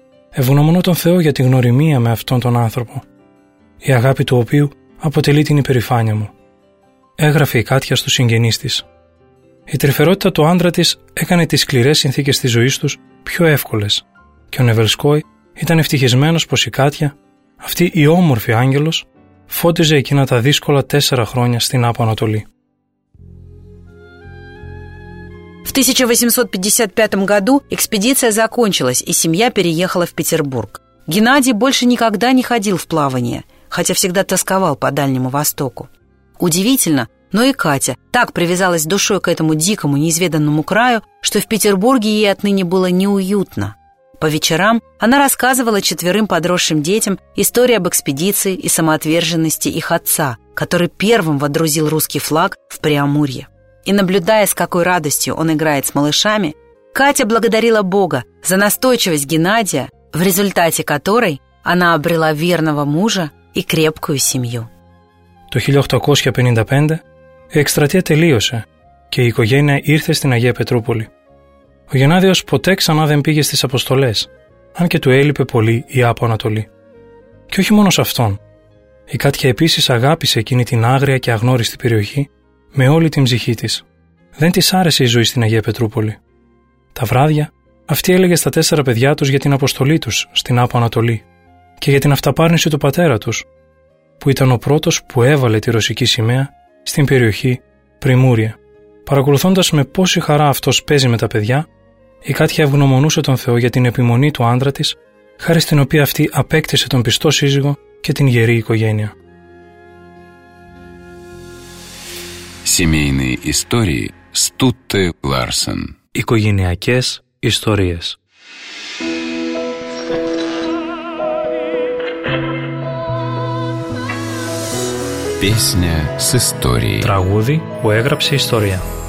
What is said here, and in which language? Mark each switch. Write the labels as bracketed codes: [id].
[el] Ευγνωμονώ τον Θεό για τη γνωριμία με αυτόν τον άνθρωπο, η αγάπη του οποίου αποτελεί την υπερηφάνεια μου», έγραφε η Κάτια στους συγγενείς της. Η τρυφερότητα του άντρα της έκανε τις σκληρές συνθήκες της ζωής τους πιο εύκολες και ο Νεβελσκόη ήταν ευτυχισμένος πως η Κάτια, αυτή η όμορφη άγγελος, φώτιζε εκείνα τα δύσκολα 4 χρόνια στην Άπο Ανατολή. [ru] В 1855 году экспедиция закончилась, и семья переехала в Петербург. Геннадий больше никогда не ходил в плавание, хотя всегда тосковал по Дальнему Востоку. Удивительно, но и Катя так привязалась душой к этому дикому, неизведанному краю, что в Петербурге ей отныне было неуютно. По вечерам она рассказывала 4 подросшим детям историю об экспедиции и самоотверженности их отца, который первым водрузил русский флаг в Преамурье. И наблюдая, с какой радостью он играет с малышами, Катя благодарила Бога за настойчивость Геннадия, в результате которой она обрела верного мужа и крепкую семью. [el] Το 1855 η εκστρατεία τελείωσε και η οικογένεια ήρθε στην Αγία Πετρούπολη. Ο Γεννάδιος ποτέ ξανά δεν πήγε στις αποστολές, αν και του έλειπε πολύ η Άπο Ανατολή. Και όχι μόνο σε αυτόν. Η Κάτια επίσης αγάπησε εκείνη την άγρια και αγνώριστη περιοχή με όλη την ψυχή της. Δεν της άρεσε η ζωή στην Αγία Πετρούπολη. Τα βράδια, αυτή έλεγε στα 4 παιδιά τους για την αποστολή τους στην Άπο Ανατολή και για την αυταπάρνηση του πατέρα τους, που ήταν ο πρώτος που έβαλε τη ρωσική σημαία στην περιοχή Πριμούρια. Παρακολουθώντας με πόση χαρά αυτός παίζει με τα παιδιά, η Κάτια ευγνωμονούσε τον Θεό για την επιμονή του άντρα της, χάρη στην οποία αυτή απέκτησε τον πιστό σύζυγο και την γερή οικογένεια. [ru] Семейные истории Стутте Ларсен. [el] Οικογενειακές ιστορίες. [ru] Песня с историей. [el] Τραγούδι που έγραψε ιστορία.